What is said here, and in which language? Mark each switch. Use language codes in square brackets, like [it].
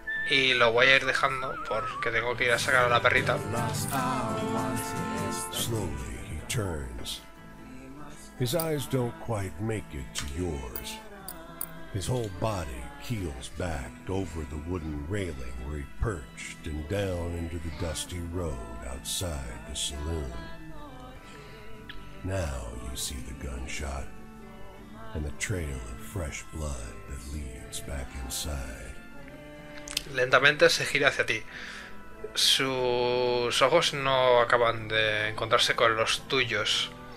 [es] Y lo voy a ir dejando porque tengo que ir a sacar a la perrita. [en] Slowly he turns. His eyes don't quite make it to yours. His whole body keels back over the wooden railing where he perched and down into the dusty road outside the saloon. Now you see the gunshot and the trail of fresh blood that leads back inside. [es] Lentamente se gira hacia ti. Sus ojos no acaban de encontrarse con los tuyos.